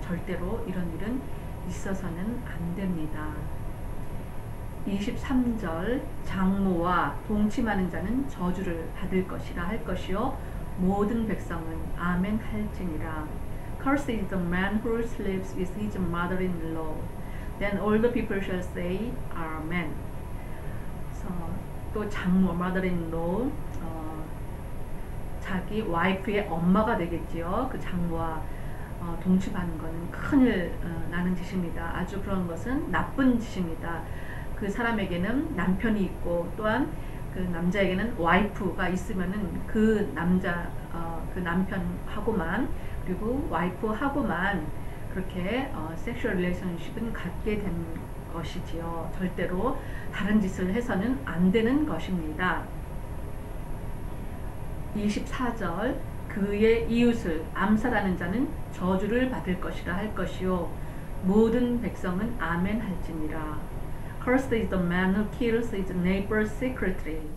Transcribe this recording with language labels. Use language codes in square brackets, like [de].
[ko] 절대로 이런 일은 있어서는 안 됩니다. 23절 장모와 동침하는 자는 저주를 받을 것이라 할 것이요 모든 백성은 아멘 할지니라. [en] Cursed is the man who sleeps with his mother-in-law. Then all the people shall say, Amen. So, [ko] 또 장모, [en] mother-in-law, [ko] 자기 와이프의 엄마가 되겠지요. 그 장모와 동침하는 것은 큰일 나는 짓입니다. 아주 그런 것은 나쁜 짓입니다. 그 사람에게는 남편이 있고 또한 그 남자에게는 와이프가 있으면은 그 남자, 그 남편하고만 그리고 와이프하고만 그렇게 섹슈얼 릴레이션십은 갖게 된 것이지요. 절대로 다른 짓을 해서는 안 되는 것입니다. 24절 그의 이웃을 암살하는 자는 저주를 받을 것이라 할 것이요 모든 백성은 아멘 할지니라. [en] Cursed is the man who kills his neighbor secretly.